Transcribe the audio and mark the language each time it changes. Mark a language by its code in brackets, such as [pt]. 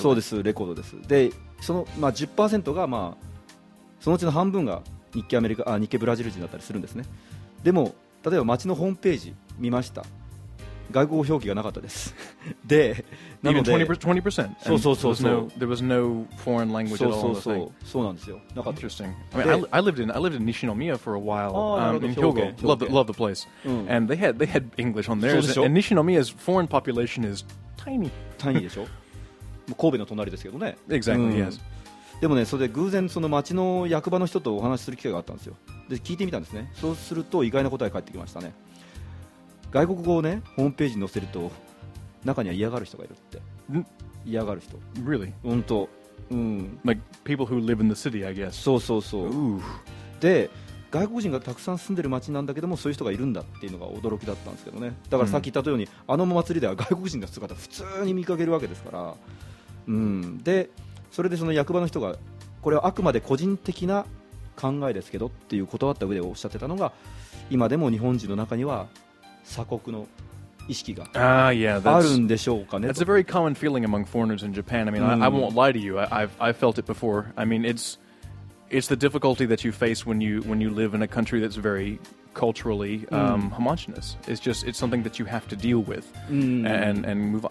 [ja] そうです、レコードです。で、その、まあ、10% が、まあ、そのうちの半分が日系ブラジル人だったりするんですね。でも例えば町のホームページ見ました、外国語表記がなかったですで、なので [en] Even 20%? [ja] そう [en] There was no foreign language at all. [ja] そうなんですよ、なかった。 [en] Interesting. I mean, I lived in Nishinomiya for a while in Hyogo. Love the place. And they had English on there. And Nishinomiya's foreign population is tiny [ja] でしょ。神戸の隣ですけどね。 [en] Exactly, yes. [ja] でもね、それで偶然その町の役場の人とお話しする機会があったんですよ。で聞いてみたんですね。そうすると意外な答え返ってきましたね。外国語をねホームページに載せると中には嫌がる人がいるって。嫌がる人。 [en] Really? [ja] 本当。 [en] Like people who live in the city, I guess. [ja] そう。 Ooh. で外国人がたくさん住んでる町なんだけども、そういう人がいるんだっていうのが驚きだったんですけどね。だからさっき言ったように、あの祭りでは外国人の姿普通に見かけるわけですから。でそれでその役場の人が、これはあくまで個人的な考えですけどっていう断った上でおっしゃってたのが、今でも日本人の中には鎖国の意識があるんでしょうかね。 [en] That's a very common feeling among foreigners in Japan. I mean, I won't lie to you. I've felt it before. I mean, it's the difficulty that you face when you live in a country that's very culturally homogenous. It's something that you have to deal with and move on.